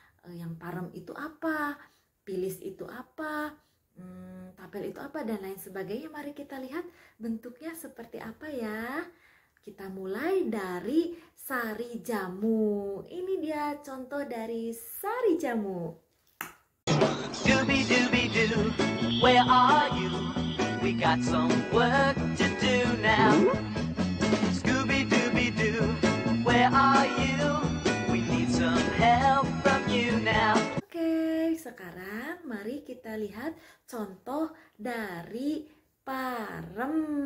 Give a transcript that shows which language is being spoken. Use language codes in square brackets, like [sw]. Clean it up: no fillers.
[id] Yang parem itu apa, pilis itu apa, tapel itu apa, dan lain sebagainya. Mari kita lihat bentuknya seperti apa ya. Kita mulai dari sari jamu. Ini dia contoh dari sari jamu. [en] Doobie doobie doo, where are you? We got some work to do now. Scooby doobie doo, where are you? We need some help. [id] Oke, sekarang mari kita lihat contoh dari parem.